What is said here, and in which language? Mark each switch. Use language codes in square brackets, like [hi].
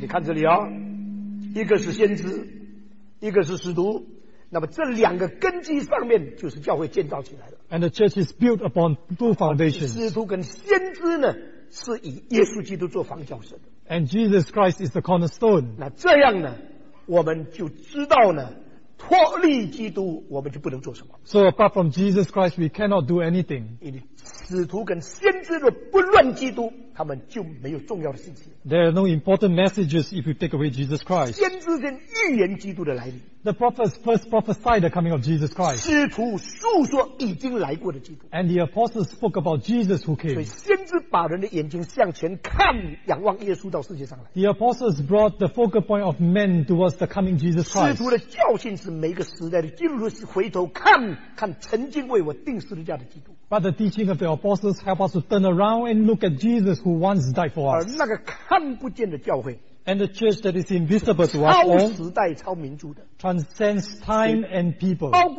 [zh] 你看这里啊, 一个是先知, 一个是使徒, 那么这两个根基上面就是教会建造起来了。 [en] And the church is built upon two foundations. [zh] 使徒跟先知呢, 是以耶稣基督做房角石的。 [en] And Jesus Christ is the cornerstone. [zh] 那这样呢, 我们就知道呢, 脱离基督, 我们就不能做什么。 [en] So apart from Jesus Christ, we cannot do anything. [zh] 使徒跟先知若不论基督, 他们就没有重要的信息。 [en] There are no important messages if you take away Jesus Christ. [zh] 先知先预言基督的来临。 [en] The prophets first prophesied the coming of Jesus Christ. [zh] 使徒述说已经来过的基督。 [en] And the apostles spoke about Jesus who came. [zh] 所以先知把人的眼睛向前看, 仰望耶稣到世界上来。 [en] The apostles brought the focal point of men towards the coming Jesus Christ. [zh] 使徒的教训是每个时代的基督徒回头看, 看曾经为我钉十字架的基督。 [en] But the teaching of the apostles help us to turn around and look at Jesus who once died for us. [zh] 而那个看不见的教会, [en] and the church that is invisible to us all, [zh] 超时代超民族的, [en] transcends time and people.